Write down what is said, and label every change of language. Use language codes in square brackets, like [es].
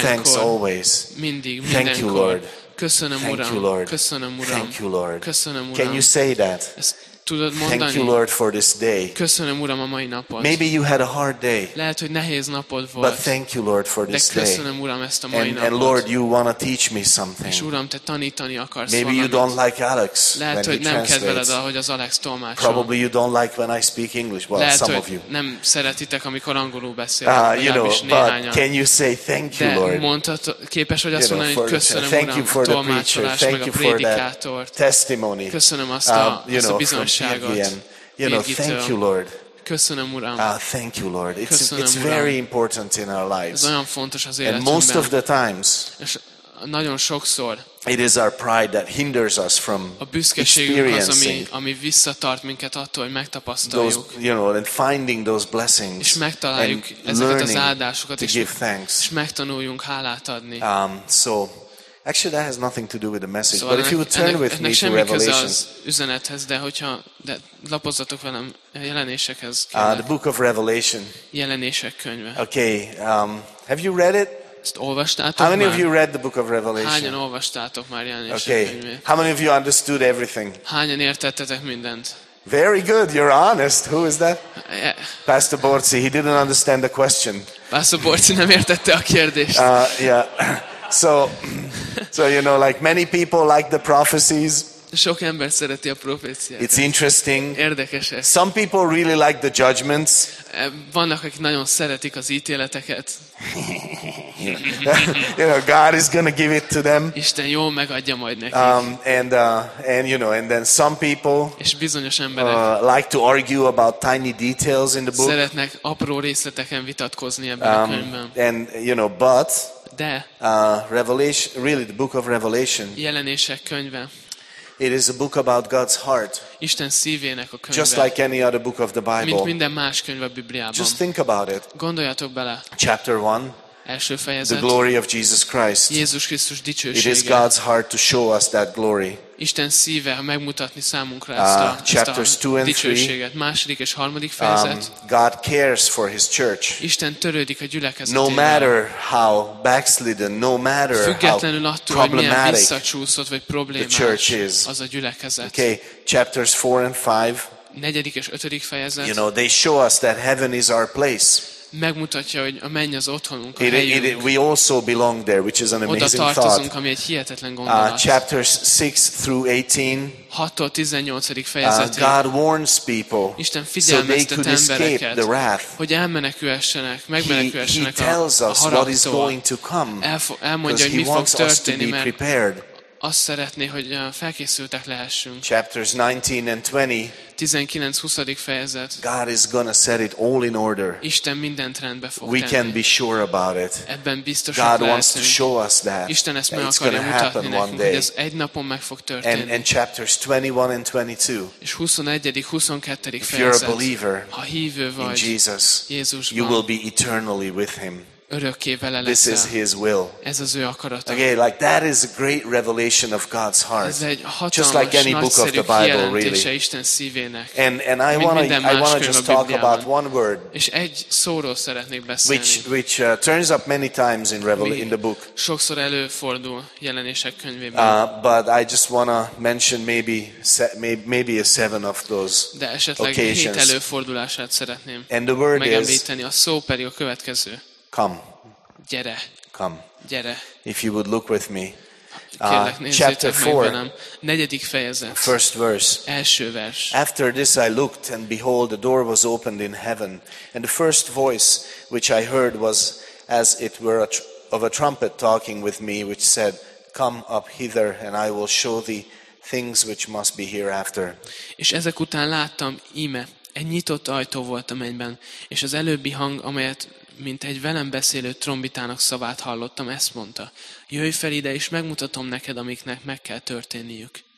[en] Give thanks always. [hu] Mindig, mindenkor. [en] Thank you, Lord. [hu] Köszönöm, [en] thank [hu] Uram. [en] You, Lord. [hu] Köszönöm, Uram. [en] Thank you, Lord. [hu] Köszönöm, Uram. [en] Can you say that? [hu] Tudod mondani? [en] Thank you, Lord, for this day. [hu] Köszönöm, Uram, a mai napot. [en] Maybe you had a hard day. [hu] Lehet, hogy nehéz napod volt. [en] But thank you, Lord, for this day. [hu] De köszönöm, Uram, ezt a mai napot. [en] And Lord, you want to teach me something. [hu] És Uram, te tanítani akarsz valamit. [en] Maybe you don't like Alex when he translates. [hu] Lehet, hogy nem kedveled, ahogy az Alex tolmácsol. [en] Probably you don't like when I speak English. Well, [hu] lehet, [en] some of you. [hu] Nem szeretitek, amikor angolul beszélek. [en] You know, but can you say thank you, Lord? [hu] De mondtad, képes vagy azt mondani, hogy köszönöm, Uram, [en] thank you for the preacher. Thank you for that testimony. [hu] Köszönöm azt a bizonyságot. [en] You know, thank you, Lord. [hu] Köszönöm, Uram. [en] Thank you, Lord. It's [hu] köszönöm, [en] very [hu] Uram. [en] Important in our lives. [hu] Ez olyan fontos az életünkben. [en] And most of the times, [hu] nagyon sokszor. [en] It is our pride that hinders us from experiencing. [hu] Ami visszatart minket attól, hogy megtapasztaljuk. [en] Those, you know, and finding those blessings. [hu] És megtaláljuk ezeket az áldásokat, [en] to give thanks. [hu] És megtanuljunk hálát adni. [en] So actually that has nothing to do with the message, but if you would turn with me to Revelation. [hu] Az üzenethez, de hogyha de lapozzatok velem a jelenésekhez. [en] The book of Revelation. [hu] Jelenések könyve. [en] Okay, have you read it? How many of you read the book of Revelation? [hu] Hányan olvastátok már Jelenések könyvét? [en] Okay. How many of you understood everything? [hu] Hányan értettetek mindent? [en] Very good. You're honest. Who is that? Pastor Borci. He didn't understand the question. [hu] Pastor Borci nem értette a kérdést. [en] Yeah. So you know, like many people like the prophecies. [hu] Sok ember szereti a proféciákat. [en] It's interesting. [hu] Érdekesek. [en] Some people really like the judgments. [hu] Vannak, akik nagyon szeretik az ítéleteket. [en] You know, God is going to give it to them. [hu] Isten jól megadja majd nekik. [en] And you know, and then some people. [hu] És bizonyos emberek. [en] Like to argue about tiny details in the book. [hu] Szeretnek apró részleteken vitatkozni ebben a könyvben. [en] And you know, but. [hu] De. [en] Revelation, really, the book of Revelation. [hu] Jelenések könyve. [en] It is a book about God's heart. [hu] Isten szívének a könyve. [en] Just like any other book of the Bible. [hu] Mint minden más könyv a Bibliában. [en] Just think about it. [hu] Gondoljatok bele. [en] Chapter 1. [hu] Első fejezet. [en] The glory of Jesus Christ. [hu] Jézus Krisztus dicsősége. [en] It is God's heart to show us that glory. [hu] Isten szíve megmutatni számunkra ezt a [en] chapters 2 and 3. [hu] Második és harmadik fejezet. [en] God cares for his church. [hu] Isten törődik a gyülekezetért. [en] No matter how backslidden, no matter [hu] függetlenül attól, [en] how problematic [hu] hogy milyen visszacsúszott vagy problémás, [en] the church is. [hu] Az a gyülekezet. [en] Okay, chapters 4 and 5. [hu] Negyedik és ötödik fejezet. [en] You know, they show us that heaven is our place. [hu] Megmutatja, hogy a menny az otthonunk, a helyünk. [en] We also belong there, which is an amazing thought. [hu] Oda tartozunk, ami egy hihetetlen gondolat. [en] Chapters 6 through 18. [hu] 6-tól 18. fejezetig. [en] God warns people. [hu] Isten figyelmeztet embereket, hogy elmenekülhessenek, megmenekülhessenek a haragtól. [en] What is going to come, [hu] elmondja, hogy mi fog történni, mert azt szeretné, hogy felkészültek lehessünk. [en] Chapters 19 and 20. [hu] 19-20. fejezet. [en] God is gonna set it all in order. [hu] Isten mindent rendbe fog tenni. [en] We can be sure about it. [hu] Ebben biztosak lehetünk. [en] God wants to show us that. [hu] Isten ezt meg akarja mutatni nekünk, hogy ez egy napon meg fog történni. [en] And chapters 21 and 22. [hu] És 21-22. fejezet. [en] If you're a believer, [hu] ha hívő vagy [en] in Jesus, [hu] Jézusban, [en] you will be eternally with him. [hu] Örökké vele leszel. [en] This is his will. [hu] Ez az ő akarata. [en] Okay, like that is a great revelation of God's heart. [hu] Ez egy hatalmas, [en] just like any book of the Bible, really. [hu] Isten szívének. [en] And I want to just talk about one word. [hu] És egy szóról szeretnék beszélni. [en] Which turns up many times in the book. [hu] Sokszor előfordul Jelenések könyvében. [en] But I just want to mention maybe a seven of those. [hu] De esetleg [en] occasions. [hu] Hét előfordulását szeretném. [en] And the word [hu] megemlíteni. [en] Is [hu] a szó pedig a következő. [en] Come. [hu] Gyere. [en] Come. [hu] Gyere. [en] If you would look with me. Chapter 4. [hu] Negyedik fejezet. [en] First verse. [hu] Első vers. [en] After this I looked, and behold, the door was opened in heaven. And the first voice which I heard was as it were of a trumpet talking with me, which said, come up hither, and I will show thee things which must be hereafter. [hu] És ezek után láttam, íme, egy nyitott ajtó volt a mennyben, és az előbbi hang, amelyet mint egy velem beszélő trombitának szavát hallottam, ezt mondta. Jöjj fel ide, és megmutatom neked, amiknek meg kell történniük.